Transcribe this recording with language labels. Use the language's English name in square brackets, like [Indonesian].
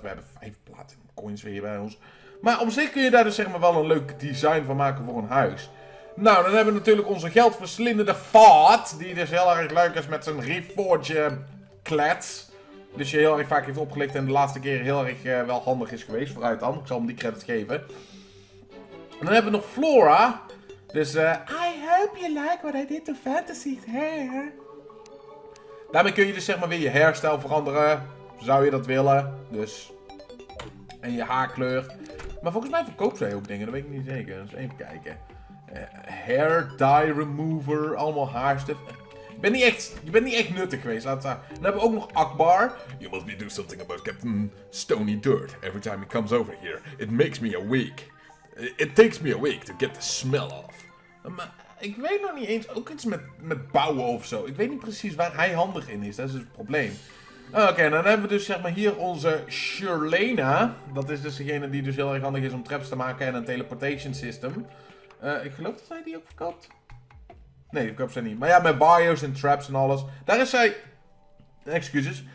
[Dutch] We hebben 5 platinum coins weer bij ons. Maar op zich kun je daar dus zeg maar wel een leuk design van maken voor een huis. Nou, dan hebben we natuurlijk onze geldverslindende Fart, die dus heel erg leuk is met zijn Reforge-klets. Dus je heel erg vaak heeft opgelicht en de laatste keer heel erg wel handig is geweest, vooruit dan. Ik zal hem die credit geven. En dan hebben we nog Flora. [English] Dus, I hope you like what I did to fantasy hair. [Dutch] Daarmee kun je dus zeg maar weer je hairstyle veranderen, zou je dat willen. Dus, en je haarkleur. Maar volgens mij verkoopt zij ook dingen, dat weet ik niet zeker. Dus even kijken. Hair dye remover, allemaal haarstift. Je bent niet echt nuttig geweest. Dan hebben we ook nog Akbar. [English] You must be doing something about Captain Stony Dirt. Every time he comes over here, it makes me a week. It takes me a week to get the smell off. [Dutch] Maar ik weet nog niet eens, ook iets met bouwen of zo. Ik weet niet precies waar hij handig in is. Dat is dus het probleem. Oké, dan hebben we dus zeg maar hier onze Shirlena. Dat is dus degene die dus heel erg handig is om traps te maken en een teleportation system. Ik geloof dat zij die ook verkoopt. Nee, die verkoopt zij niet. Maar ja, met bios en traps en alles. Daar is zij... excuses.